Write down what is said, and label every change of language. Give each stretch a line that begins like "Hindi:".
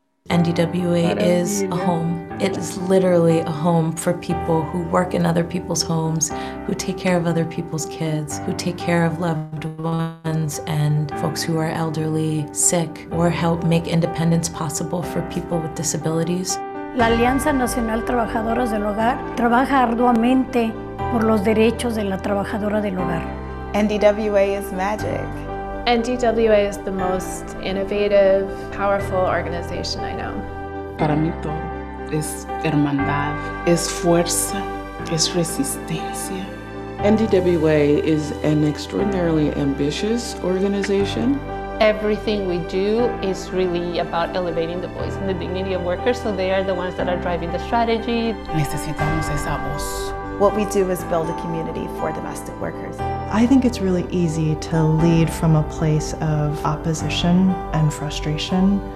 English: NDWA is a home. It is literally a home for people who work in other people's homes, who take care of other people's kids, who take care of loved ones and folks who are elderly, sick, or help make independence possible for people with disabilities.
Spanish: La Alianza Nacional Trabajadoras del Hogar trabaja arduamente por los derechos de la trabajadora del hogar.
English: NDWA is magic. NDWA is the most innovative, powerful organization I know.
Spanish: Para mí todo es hermandad, es fuerza, es resistencia.
English: NDWA is an extraordinarily ambitious organization. Everything we do is really about elevating the voice and the dignity of workers, so they are the ones that are driving the strategy.
Spanish: Necesitamos esa voz.
English: What we do is build a community for domestic workers. I think it's really easy to lead from a place of opposition and frustration.